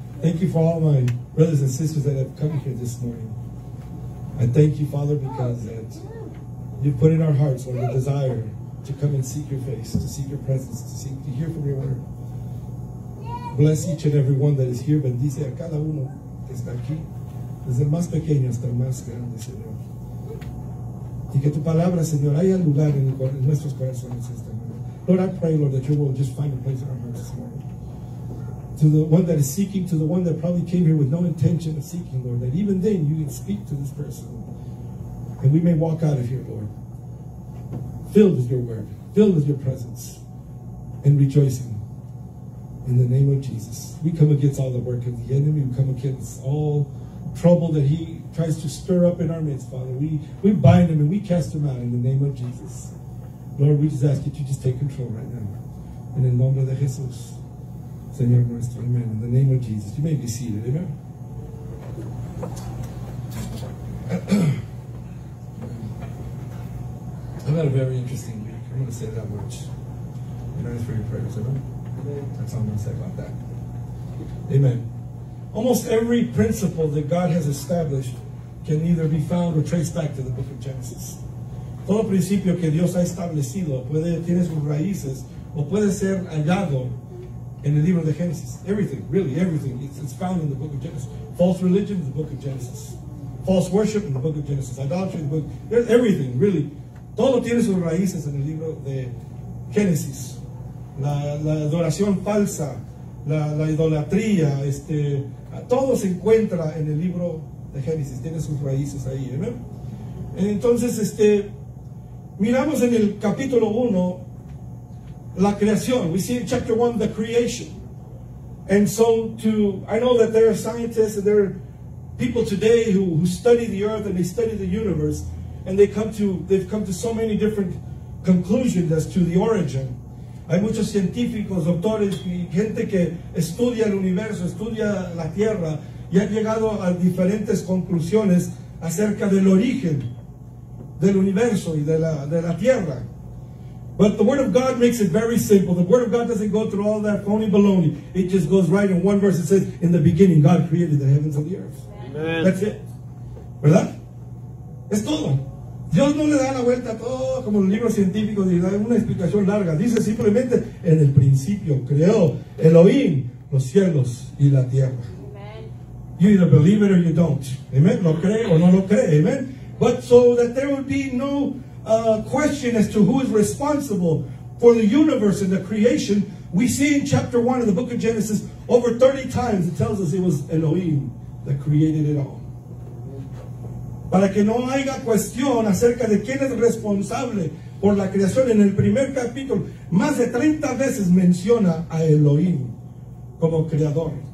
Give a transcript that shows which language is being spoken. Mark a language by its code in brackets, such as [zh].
[en] Thank you for all my brothers and sisters that have come here this morning. I thank you, Father, because that you put in our hearts, Lord, the desire to come and seek your face, to seek your presence, to hear from your word. Bless each and every one that is here. [es] Bendice a cada uno que está aquí. Desde el más pequeño hasta el más grande, Señor. Y que tu palabra, Señor, haya lugar en nuestros corazones esta mañana. [en] Lord, I pray, Lord, that you will just find a place in our hearts this morning. To the one that is seeking, to the one that probably came here with no intention of seeking, Lord, that even then you can speak to this person. And we may walk out of here, Lord, filled with your word, filled with your presence, and rejoicing in the name of Jesus. We come against all the work of the enemy. We come against all trouble that he tries to stir up in our midst, Father. We bind him and we cast him out in the name of Jesus. Lord, we just ask you to just take control right now. In the name of Jesus. [es] Señor nuestro, [en] amen. In the name of Jesus. You may be seated, amen. I've had a very interesting week. I'm going to say that much. And I ask for your prayers, amen. That's all I'm going to say about that. Amen. Almost every principle that God has established can either be found or traced back to the book of Genesis. [es] Todo principio que Dios ha establecido puede tiene sus raíces o puede ser hallado en el libro de Génesis. [en] Everything, really, everything. It's found in the book of Genesis. False religion in the book of Genesis. False worship in the book of Genesis. Idolatry in the book. There's everything, really. [es] Todo tiene sus raíces en el libro de Génesis. La adoración falsa, la idolatría, todo se encuentra en el libro de Génesis. Tiene sus raíces ahí, ¿eh? Entonces, miramos en el capítulo 1 la creación. [en] We see in chapter 1 the creation. And so I know that there are scientists and there are people today who study the earth and they study the universe, and they've come to so many different conclusions as to the origin. [es] Hay muchos científicos, doctores y gente que estudia el universo, estudia la tierra, y han llegado a diferentes conclusiones acerca del origen del universo y de la tierra. [en] But the Word of God makes it very simple. The Word of God doesn't go through all that phony baloney. It just goes right in one verse. It says, in the beginning, God created the heavens and the earth. Amen. That's it. [es] ¿Verdad? Es todo. Dios no le da la vuelta a todo como los libros científicos y da una explicación larga. Dice simplemente, en el principio creó Elohim los cielos y la tierra. Amen. [en] You either believe it or you don't. Amen. [es] Lo cree o no lo cree. [en] Amen. But so that there would be no question as to who is responsible for the universe and the creation, we see in chapter 1 of the book of Genesis, over 30 times it tells us it was Elohim that created it all. [es] Para que no haya cuestión acerca de quién es responsable por la creación, en el primer capítulo, más de 30 veces menciona a Elohim como creador.